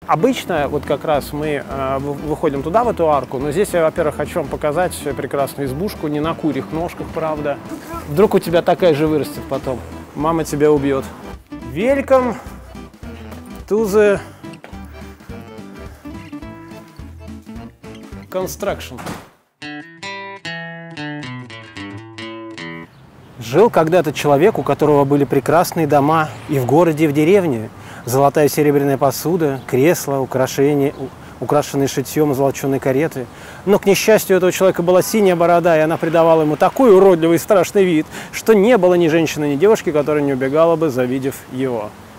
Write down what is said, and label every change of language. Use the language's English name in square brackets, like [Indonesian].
[Russian] Обычно вот как раз мы выходим туда, в эту арку, но здесь я, во-первых, хочу вам показать прекрасную избушку, не на курьих ножках, правда. Вдруг у тебя такая же вырастет потом. Мама тебя убьет. [English] Welcome to the construction. [Russian] Жил когда-то человек, у которого были прекрасные дома и в городе, и в деревне. Золотая и серебряная посуда, кресла, украшения, украшенные шитьем золоченые кареты. Но, к несчастью, у этого человека была синяя борода, и она придавала ему такой уродливый и страшный вид, что не было ни женщины, ни девушки, которая не убегала бы, завидев его.